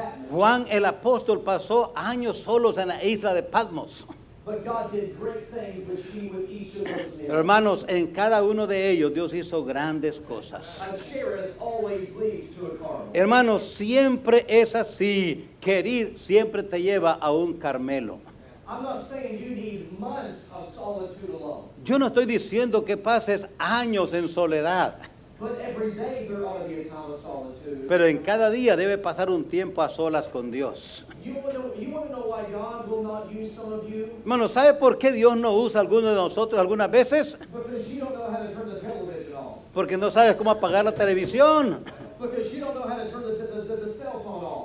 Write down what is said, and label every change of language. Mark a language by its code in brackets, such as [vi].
[es] Juan el apóstol pasó años solos en la isla de Patmos. [en] But God did great things with she with each of those men. [es] Hermanos, en cada uno de ellos Dios hizo grandes cosas. [en] A Cherith always leads to a Carmel. [es] Hermanos, siempre es así. Querer siempre te lleva a un Carmelo. [en] I'm not saying you need months of solitude alone. [es] Yo no estoy diciendo que pases años en soledad. [en] But every day there ought to be a time of solitude. [es] Pero en cada día debe pasar un tiempo a solas con Dios. Hermano, ¿sabe por qué Dios no usa alguno de nosotros algunas veces? [en] Because you don't know how to turn the television off. [es] Porque no sabes cómo apagar la televisión. [en] Because you don't know how to turn the cell phone off.